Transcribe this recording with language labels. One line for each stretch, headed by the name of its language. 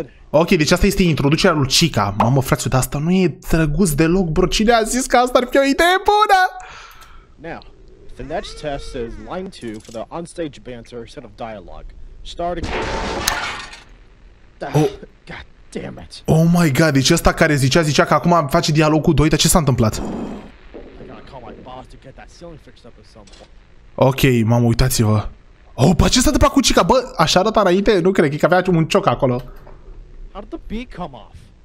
Romanian: Ok, deci asta este introducerea lui Chica. Mamă, frate, dar asta nu e drăguț deloc, bro. Cine a zis că asta ar fi o idee bună?
English: Now. The next test is line 2 for the onstage banter set of dialogue. Starting. Oh. God damn it. Oh my god,
Romanian: deci ăsta care zicea că acum face dialog cu doi, dar ce s-a întâmplat?
English: I gotta call my boss to get that ceiling fixed up with someone.
Romanian: Ok, mamă, uitați-vă. Oh, bă, ce s-a întâmplat cu Chica? Bă, așa arăta înainte? Nu cred, e că avea un cioc acolo.
English: How did the beak come off?